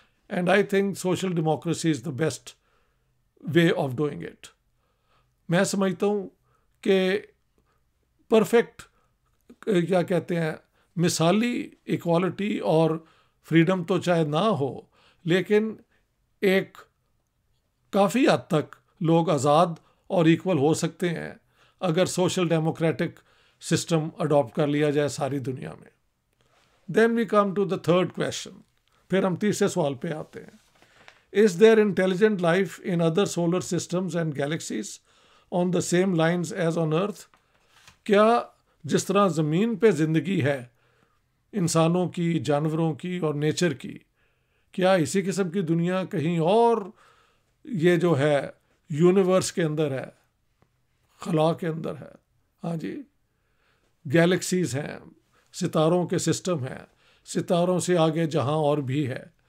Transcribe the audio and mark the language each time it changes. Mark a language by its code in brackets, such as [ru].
[en] And I think social democracy is the best way of doing it. [ur] میں سمجھتا ہوں کہ پرفیکٹ، کیا کہتے ہیں، مثالی اکوالٹی اور فریڈم تو چاہے نہ ہو، لیکن ایک کافی حد تک لوگ آزاد اور ایکول ہو سکتے ہیں اگر سوشل ڈیموکریٹک سسٹم اڈاپٹ کر لیا جائے ساری دنیا میں. [en] Then we come to the third question. [ur] پھر ہم تیسرے سوال پہ آتے ہیں. [en] Is there intelligent life in other solar systems and galaxies on the same lines as on Earth? [ur] کیا جس طرح زمین پہ زندگی ہے انسانوں کی، جانوروں کی اور نیچر کی، کیا اسی قسم کی دنیا کہیں اور یہ جو ہے یونیورس کے اندر ہے، خلا کے اندر ہے؟ ہاں جی، گیلیکسیز ہیں، ستاروں کے سسٹم ہیں، ستاروں سے آگے جہاں اور بھی ہے.